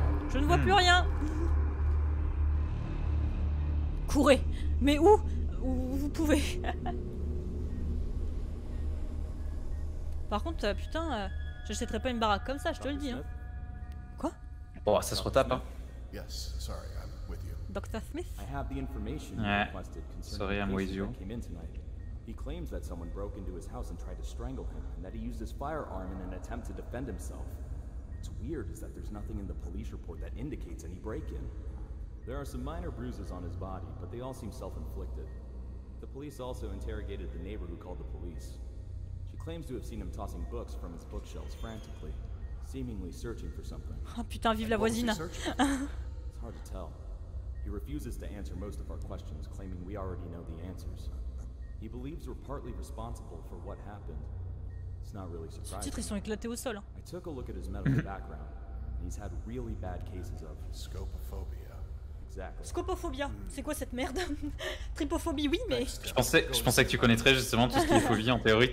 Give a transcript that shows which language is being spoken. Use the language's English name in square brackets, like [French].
[French] Je ne vois plus rien. Courez. Mais où? Où vous pouvez. Par contre, putain, j'achèterai pas une baraque comme ça, je te le dis. Hein. Quoi? Bon, oh, ça se retape, hein. [English] Yes, sorry, I'm with you. Dr. Smith? I have the information you requested concerning the case that came in tonight. He claims that someone broke into his house and tried to strangle him, and that he used his firearm in an attempt to defend himself. What's weird is that there's nothing in the police report that indicates any break-in. There are some minor bruises on his body, but they all seem self-inflicted. The police also interrogated the neighbor who called the police. She claims to have seen him tossing books from his bookshelves frantically, seemingly searching for something. [French] Oh putain, vive la voisine! [English] It's hard to tell. He refuses to answer most of our questions, claiming we already know the answers. He believes we're partly responsible for what happened. It's not really surprising. [French] Ce titre, ils sont éclatés au sol. [English] I took a look at his medical background. He's had really bad cases of scopophobia. Exactly. Scopophobia. [French] C'est quoi cette merde? Tripophobie, oui, mais. Je pensais que tu connaîtrais justement tout ce qui est phobie en théorie.